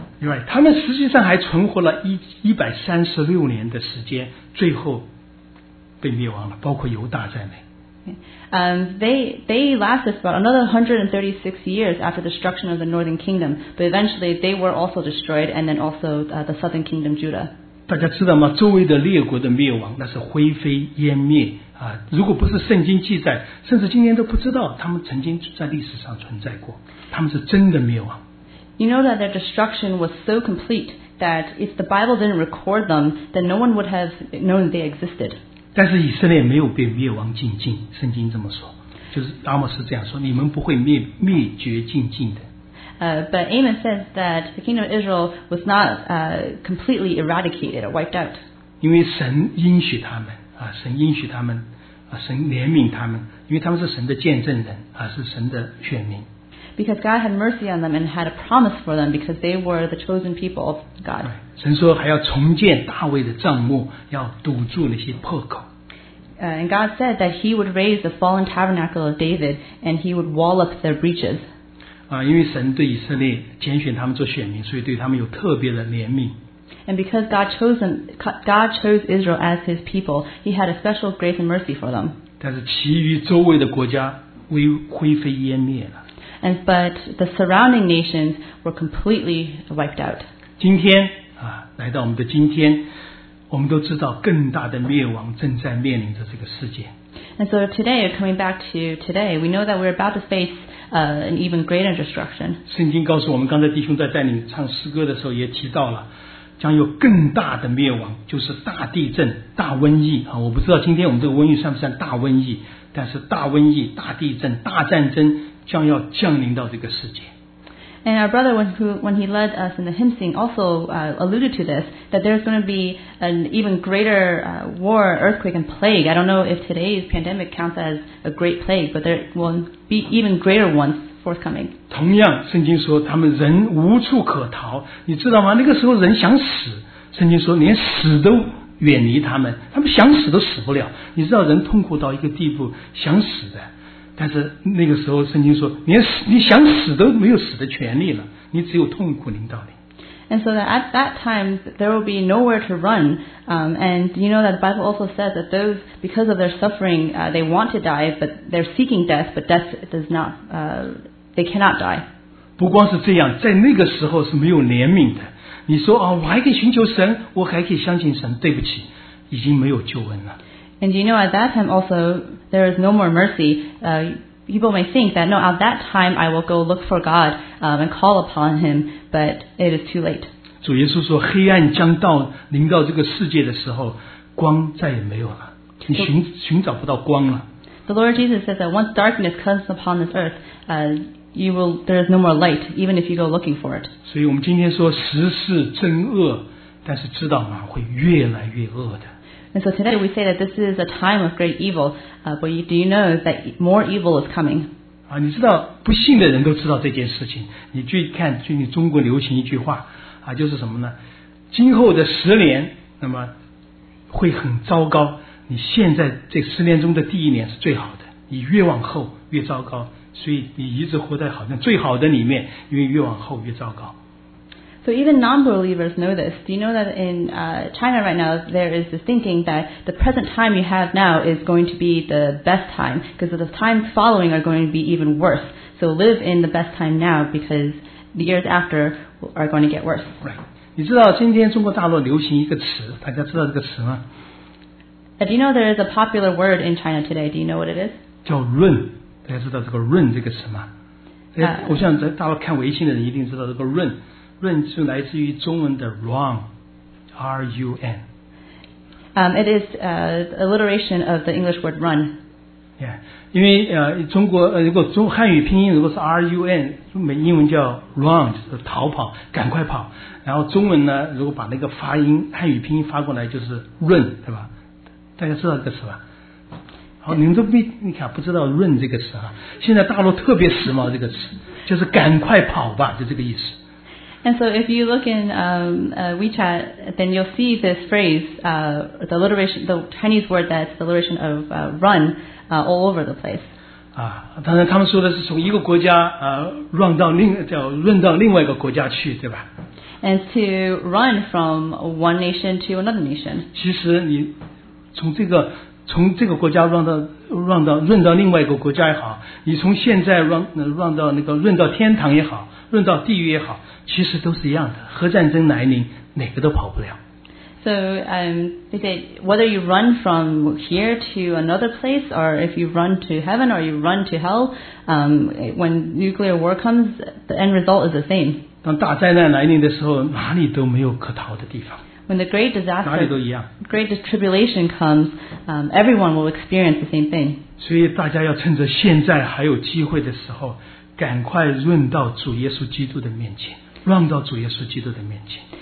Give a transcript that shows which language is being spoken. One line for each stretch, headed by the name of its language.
English: Right.
Chinese: 他们实际上还存活了136年的时间，最后被灭亡了，包括犹大在内。
English: They lasted about another 136 years after the destruction of the northern kingdom, but eventually they were also destroyed, and then also the southern kingdom, Judah.
Chinese: 大家知道吗？周围的列国的灭亡，那是灰飞烟灭啊！如果不是圣经记载，甚至今天都不知道他们曾经在历史上存在过。他们是真的灭亡。
English: You know that their destruction was so complete that if the Bible didn't record them, then no one would have known they existed.
Chinese: 但是以色列没有被灭亡尽尽，圣经这么说，就是阿摩斯这样说：你们不会灭绝尽尽的。
English: But Amos says that the kingdom of Israel was not completely eradicated or wiped out.
Chinese: 因为神应许他们啊，神应许他们啊，神怜悯他们，因为他们是神的见证人啊，是神的选民。
English: Because God had mercy on them and had a promise for them because they were the chosen people of God.
Chinese: 神说还要重建大卫的帐幕，要堵住那些破口。
English: And God said that He would raise the fallen tabernacle of David, and He would wall up their breaches.
Chinese: 因为神对以色列拣选他们做选民，所以对他们有特别的怜悯。
English: And because God chose Israel as His people, He had a special grace and mercy for them.
Chinese: 但是其余周围的国家灰飞烟灭了。
English: And but the surrounding nations were completely wiped out.
Chinese: 今天啊，来到我们的今天。我们都知道更大的灭亡正在面临着这个世界。
English: And so today, coming back to today, we know that we're about to face an even greater destruction.
Chinese: 圣经告诉我们，刚才弟兄在带领唱诗歌的时候也提到了，将有更大的灭亡，就是大地震、大瘟疫。我不知道今天我们这个瘟疫算不算大瘟疫，但是大瘟疫、大地震、大战争将要降临到这个世界。
English: And our brother, when he led us in the hymn sing, also alluded to this, that there's going to be an even greater war, earthquake, and plague. I don't know if today's pandemic counts as a great plague, but there will be even greater ones forthcoming.
Chinese: 同样，圣经说他们人无处可逃，你知道吗？那个时候人想死，圣经说连死都远离他们，他们想死都死不了。你知道人痛苦到一个地步，想死的。但是那个时候圣经说你想死都没有死的权利了，你只有痛苦临到你。
English: And so that at that time there will be nowhere to run, and you know that the Bible also says that those, because of their suffering, they want to die, but they're seeking death, but death does not, they cannot die.
Chinese: 不光是这样，在那个时候是没有怜悯的。你说啊，我还可以寻求神，我还可以相信神，对不起，已经没有救恩了。
English: And you know, at that time also, there is no more mercy. People may think that, no, at that time, I will go look for God and call upon Him, but it is too late.
Chinese: 主耶稣说，黑暗将到，临到这个世界的时候，光再也没有了。你寻找不到光了。
English: The Lord Jesus says that once darkness comes upon this earth, there is no more light, even if you go looking for it.
Chinese: 所以我们今天说时势真恶，但是知道吗？会越来越恶的。
English: And so today we say that this is a time of great evil, but do you know that more evil is coming?
Chinese: 你知道不信的人都知道这件事情。你去看，就你中国流行一句话，就是什么呢？今后的十年，那么会很糟糕。你现在这十年中的第一年是最好的，你越往后越糟糕，所以你一直活在好像最好的里面，因为越往后越糟糕。
English: So even non-believers know this. Do you know that in China right now, there is this thinking that the present time you have now is going to be the best time, because the times following are going to be even worse. So live in the best time now, because the years after are going to get worse. Right.
Chinese: 你知道今天中国大陆流行一个词，大家知道这个词吗？
English: Do you know there is a popular word in China today? Do you know what it is?
Chinese: 叫润，大家知道这个润这个词吗？我想在大陆看微信的人一定知道这个润。润是来自于中文的 run, R-U-N.
English: It is alliteration of the English word run. Yeah,
Chinese: 因为中国如果中汉语拼音如果是 R-U-N, 英文叫 run, 就是逃跑，赶快跑。然后中文呢，如果把那个发音汉语拼音发过来，就是润，对吧？大家知道这个词吧？好，您都没你看不知道润这个词啊？现在大陆特别时髦这个词，就是赶快跑吧，就这个意思。
English: And so if you look in WeChat, then you'll see this phrase, the alliteration, the Chinese word that's the alliteration of run all over the place.
Chinese: 当然他们说的是从一个国家run到另外一个国家去，对吧？
English: And to run from one nation to another nation.
Chinese: 其实你从这个国家run到另外一个国家也好，你从现在run到天堂也好，run到地狱也好，其实都是一样的，核战争来临，哪个都跑不了。
English: So, they say whether you run from here to another place, or if you run to heaven, or you run to hell, when nuclear war comes, the end result is the same.
Chinese: 当大灾难来临的时候，哪里都没有可逃的地方。
English: When the great disaster,
Chinese: 哪里都一样。
English: Great tribulation comes, everyone will experience the same thing.
Chinese: 所以大家要趁着现在还有机会的时候，赶快润到主耶稣基督的面前。让到主耶稣基督的面前。